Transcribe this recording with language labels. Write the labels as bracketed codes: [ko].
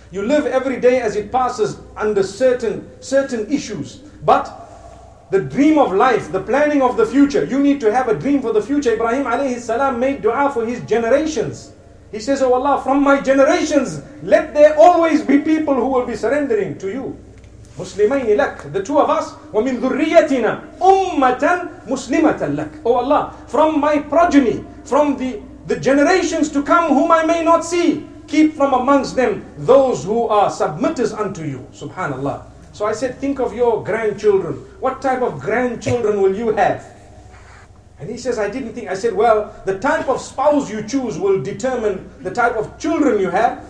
[en] You live every day as it passes under certain issues. But the dream of life, the planning of the future. You need to have a dream for the future. Ibrahim alayhi salam made dua for his generations. He says, oh Allah, from my generations, let there always be people who will be surrendering to you. [ar] مُسْلِمَيْنِ لَكْ. [en] The two of us, [ar] وَمِنْ ذُرِّيَّتِنَا أُمَّةً مُسْلِمَةً لَكْ. [en] Oh Allah, from my progeny, from the generations to come whom I may not see, keep from amongst them those who are submitters unto you. Subhanallah. So I said, think of your grandchildren. What type of grandchildren will you have? And he says, I didn't think. I said, well, the type of spouse you choose will determine the type of children you have.